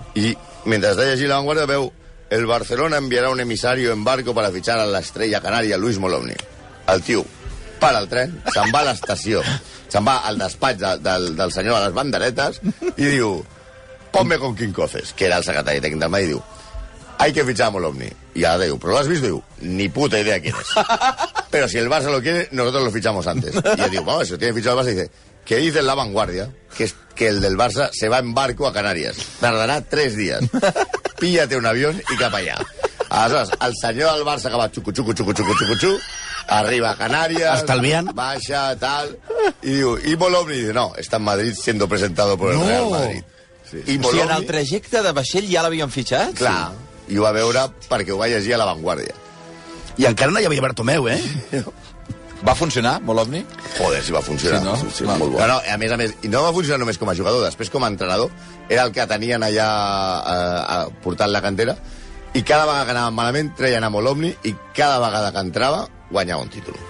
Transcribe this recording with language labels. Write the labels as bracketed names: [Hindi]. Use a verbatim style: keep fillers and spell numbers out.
[Catalan] I mentre està llegint La Vanguardia veu [Spanish] el Barcelona enviarà un emisario en barco para fichar a la estrella canaria Luis Molovny. [Catalan] El tio para el tren, se'n va a l'estació, se'n va al despatx de, del, del senyor a les banderetes i diu, [Spanish] ponme con Quincoces, [Catalan] que era el secretari tècnic del Madrid, i diu, [Spanish] hay que fichar a Molovny. Y ahora digo, ¿pero lo has visto? Digo, ni puta idea quién es. Pero si el Barça lo quiere, nosotros lo fichamos antes. Y yo digo, vamos, si lo tiene fichado el Barça, dice, que dice La Vanguardia que, es, que el del Barça se va en barco a Canarias. Tardará tres días. Píllate un avión y cap allá. [Catalan] Aleshores, el senyor del Barça que va xucu, xucu, xucu, xucu, xucu, xucu, arriba a Canarias, estalviant, baixa, tal, [Spanish] y digo, y Molovny dice, no, está en Madrid siendo presentado por el no. Real Madrid. Sí. [Catalan] I Molovny, o sigui, en el trajecte de vaixell ja l'havien fitxat? Clar. Sí. I ho va veure perquè ho va llegir a La Vanguardia. I encara no hi havia Bartomeu, eh? Va funcionar, Molovny? Joder, si va funcionar. Sí, no? Sí, sí, no, molt no, no, a més a més, no va funcionar només com a jugador, després com a entrenador, era el que tenien allà eh, portant la cantera, i cada vegada que anaven malament treien a Molovny i cada vegada que entrava guanyava un títol.